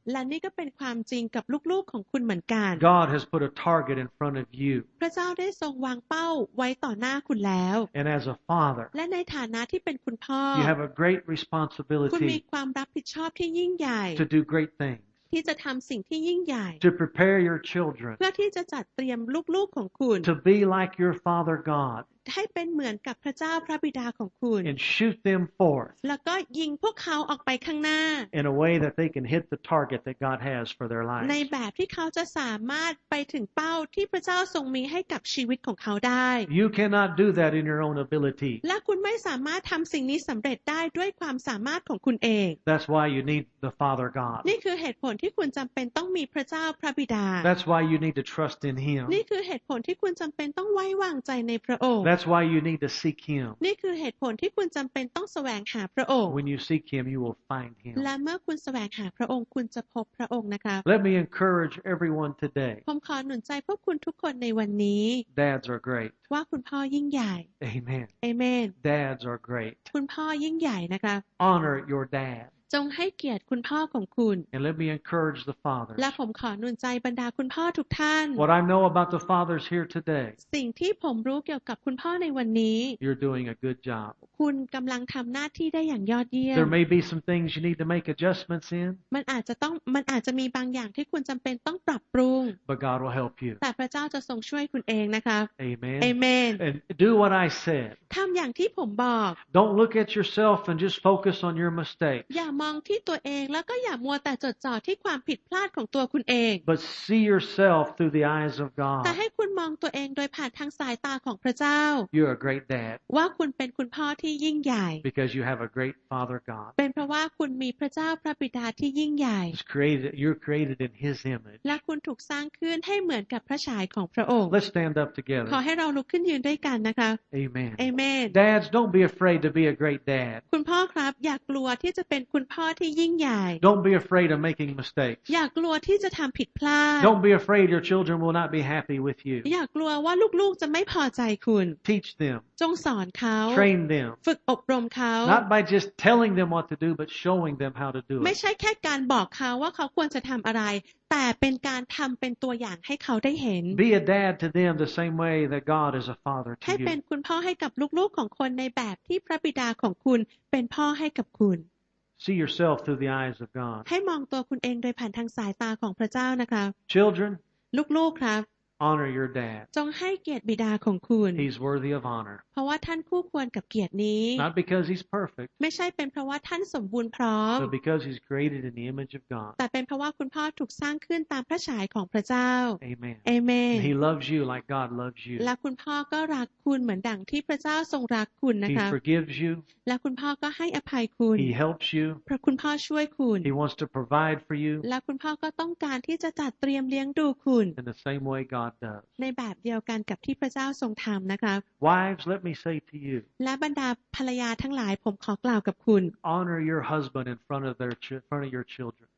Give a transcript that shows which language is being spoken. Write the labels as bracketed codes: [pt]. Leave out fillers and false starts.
[th] และนี่ก็เป็นความจริงกับลูกๆของคุณเหมือนกัน [en] God has put a target in front of you [th] พระเจ้าได้ทรงวางเป้าไว้ต่อหน้าคุณแล้ว [en] And as a father [th] และในฐานะที่เป็นคุณพ่อ [en] You have a great responsibility [th] คุณมีความรับผิดชอบที่ยิ่งใหญ่ [en] To do great things [th] ที่จะทำสิ่งที่ยิ่งใหญ่ [en] to prepare your children [th] เพื่อที่จะจัดเตรียมลูกๆของคุณ [en] to be like your father God [th] ให้เป็นเหมือนกับพระเจ้าพระบิดาของคุณ [en] and shoot them forth [th] แล้วก็ยิงพวกเขาออกไปข้างหน้า [en] in a way that they can hit the target that God has for their lives [th] ในแบบที่เขาจะสามารถไปถึงเป้าที่พระเจ้าทรงมีให้กับชีวิตของเขาได้ [en] you cannot do that in your own ability [th] และคุณไม่สามารถทำสิ่งนี้สำเร็จได้ด้วยความสามารถของคุณเอง [en] that's why you need the Father God [th] นี่คือเหตุผลที่คุณจำเป็นต้องมีพระเจ้าพระบิดา [en] that's why you need to trust in Him [th] นี่คือเหตุผลที่คุณจำเป็นต้องไว้วางใจในพระองค์ [en] That's why you need to seek him. [th] นี่คือเหตุผลที่คุณจำเป็นต้องแสวงหาพระองค์ [en] When you seek him, you will find him. [th] และเมื่อคุณแสวงหาพระองค์คุณจะพบพระองค์นะคะ [en] Let me encourage everyone today. [th] ผมขอหนุนใจพวกคุณทุกคนในวันนี้ [en] Dads are great. [th] ว่าคุณพ่อยิ่งใหญ่ [en] Amen. Amen. Dads are great. [th] คุณพ่อยิ่งใหญ่นะคะ [en] Honor your dad. [th] จงให้เกียรติคุณพ่อของคุณ [en] And let me encourage the fathers. [th] และผมขอหนุนใจบรรดาคุณพ่อทุกท่าน [en] What I know about the fathers here today. [th] สิ่งที่ผมรู้เกี่ยวกับคุณพ่อในวันนี้ [en] You're doing a good job. [th] คุณกำลังทำหน้าที่ได้อย่างยอดเยี่ยม [en] There may be some things you need to make adjustments in. [th] มันอาจจะมีบางอย่างที่คุณจำเป็นต้องปรับปรุง [en] But God will help you. [th] แต่พระเจ้าจะทรงช่วยคุณเองนะคะ [en] Amen. Amen. And do what I said. [th] ทำอย่างที่ผมบอก [en] Don't look at yourself and just focus on your mistakes. [th] มองที่ตัวเองแล้วก็อย่ามัวแต่จดจ่อที่ความผิดพลาดของตัวคุณเอง [en] But see yourself through the eyes of God [th] แต่ให้คุณมองตัวเองโดยผ่านทางสายตาของพระเจ้า [en] You're a great dad [th] ว่าคุณเป็นคุณพ่อที่ยิ่งใหญ่ [en] Because you have a great father God [th] เป็นเพราะว่าคุณมีพระเจ้าพระบิดาที่ยิ่งใหญ่ [en] You're created in his image [th] และคุณถูกสร้างขึ้นให้เหมือนกับพระฉายของพระองค์ [en] Let's stand up together [th] ขอให้เราลุกขึ้นยืนด้วยกันนะคะ [en] Amen Amen Dads don't be afraid to be a great dad [th] คุณพ่อครับอย่ากลัวที่จะเป็นคุณพ่อที่ยิ่งใหญ่ [en] Don't be afraid of making mistakes. [th] อย่ากลัวที่จะทำผิดพลาด [en] Don't be afraid your children will not be happy with you. [th] อย่ากลัวว่าลูกๆจะไม่พอใจคุณ [en] Teach them. [th] จงสอนเขา [en] Train them. [th] ฝึกอบรมเขา [en] Not by just telling them what to do but showing them how to do it. [th] ไม่ใช่แค่การบอกเขาว่าเขาควรจะทำอะไรแต่เป็นการทำเป็นตัวอย่างให้เขาได้เห็น [en] Be a dad to them the same way that God is a father to you [th] ให้เป็นคุณพ่อให้กับลูกๆของคนในแบบที่พระบิดาของคุณเป็นพ่อให้กับคุณ [en] See yourself through the eyes of God. [th] ให้มองตัวคุณเองโดยผ่านทางสายตาของพระเจ้านะคะ [en] Children, [th] ลูกๆครับ [en] Honor your dad. [th] จงให้เกียรติบิดาของคุณ [en] He's worthy of honor. [th] เพราะว่าท่านคู่ควรกับเกียรตินี้ [en] Not because he's perfect. [th] ไม่ใช่เป็นเพราะว่าท่านสมบูรณ์พร้อม [en] But because he's created in the image of God. [th] แต่เป็นเพราะว่าคุณพ่อถูกสร้างขึ้นตามพระฉายของพระเจ้า [en] Amen. Amen. And he loves you like God loves you. [th] และคุณพ่อก็รักคุณเหมือนดังที่พระเจ้าทรงรักคุณนะคะ [en] He forgives you. [th] และคุณพ่อก็ให้อภัยคุณ [en] He helps you. [th] เพราะคุณพ่อช่วยคุณ [en] He wants to provide for you. [th] และคุณพ่อก็ต้องการที่จะจัดเตรียมเลี้ยงดูคุณ [en] In the same way God [th] ในแบบเดียวกันกับที่พระเจ้าทรงทำนะคะ [en] Wives, let me say to you. [th] และบรรดาภรรยาทั้งหลายผมขอกล่าวกับคุณ [en] Honor your husband in front of their in front of your children.